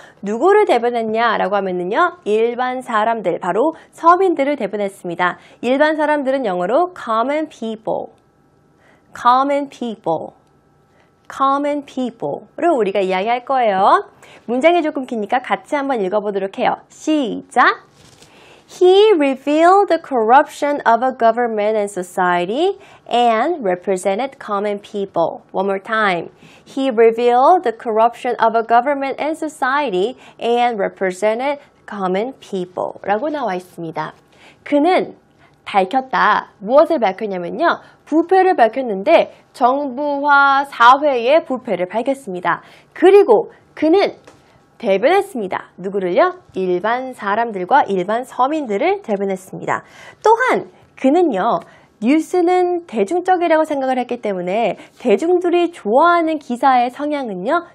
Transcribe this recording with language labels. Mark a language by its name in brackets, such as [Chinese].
[Korean] 누구를 대변했냐라고 하면은요. 일반 사람들, 바로 서민들을 대변했습니다. 일반 사람들은 영어로 common people. common people. common people를 우리가 이야기할 거예요. 문장이 조금 기니까 같이 한번 읽어보도록 해요. 시작! [English] He revealed the corruption of a government and society and represented common people. One more time. He revealed the corruption of a government and society and represented common people. [Korean] 라고 나와 있습니다. 그는 밝혔다. 무엇을 밝혔냐면요. 부패를 밝혔는데 정부와 사회의 부패를 밝혔습니다. 그리고 그는 대변했습니다. 누구를요? 일반 사람들과 일반 서민들을 대변했습니다. 또한 그는요. 뉴스는 대중적이라고 생각을 했기 때문에 대중들이 좋아하는 기사의 성향은요.